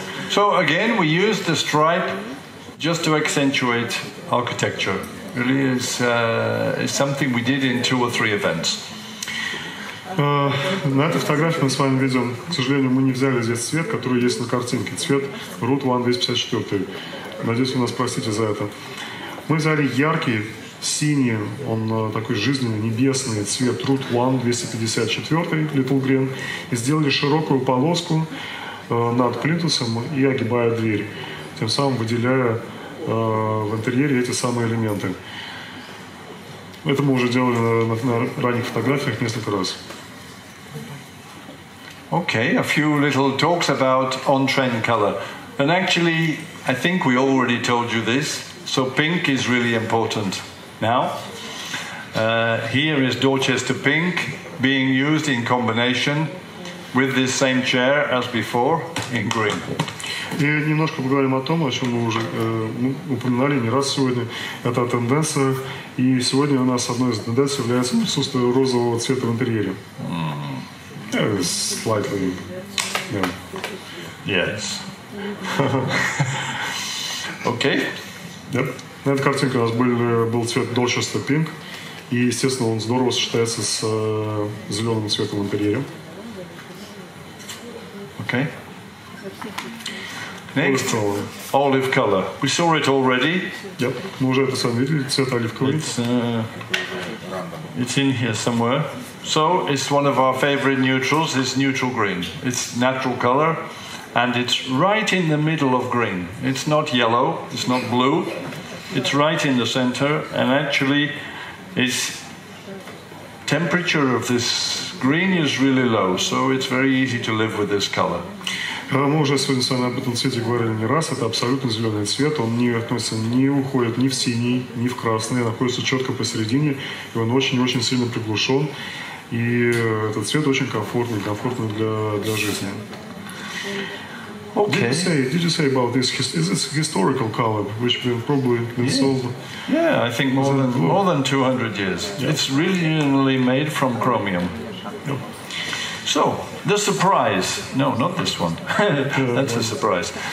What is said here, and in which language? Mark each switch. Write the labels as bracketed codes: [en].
[en] So again, we use the stripe just to accentuate architecture. It really is something we did in two or three events. [ru] На этой фотографии мы с вами видим, к сожалению, мы не взяли здесь цвет, который есть на картинке, цвет Route 1 254. Надеюсь, вы нас простите за это. Мы взяли яркий, синий, он такой жизненный, небесный цвет Route 1 254, Little Green, и сделали широкую полоску над плинтусом и огибая дверь, тем самым выделяя в интерьере эти самые элементы. Это мы уже делали на ранних фотографиях несколько раз. [en] Okay, a few little talks about on-trend color. And actually, I think we already told you this, so pink is really important now. Here is Dorchester pink being used in combination with this same chair as before in green. [ru] И немножко поговорим о том, о чем мы уже упоминали не раз сегодня. Это тенденция, и сегодня у нас одной из тенденций является присутствие розового цвета в интерьере. [en] Slightly, yeah. Yes. Okay. Yep. [ru] На этой картинке у нас был цвет Dorchester pink, и, естественно, он здорово сочетается с зеленым цветом в интерьере. [en] Okay. Next, olive color. We saw it already. Yep. [ru] Мы уже это сами видели, цвет оливковый. [en] It's in here somewhere. So it's one of our favorite neutrals, it's neutral green. It's natural color, and it's right in the middle of green. It's not yellow, it's not blue. It's right in the center, and actually, its temperature of this green is really low, so it's very easy to live with this color. [ru] Мы уже сегодня с вами об этом цвете говорили не раз. Это абсолютно зеленый цвет. Он не относится, не уходит ни в синий, ни в красный. Находится четко посередине, и он очень-очень сильно приглушен. И этот цвет очень комфортный, комфортный для жизни. [en] Okay. Did you say about this? Is this historical color, which been probably been sold? Yeah, I think more than 200 years. Yeah. It's really made from chromium. Yeah. So the surprise? No, not this one. That's a surprise.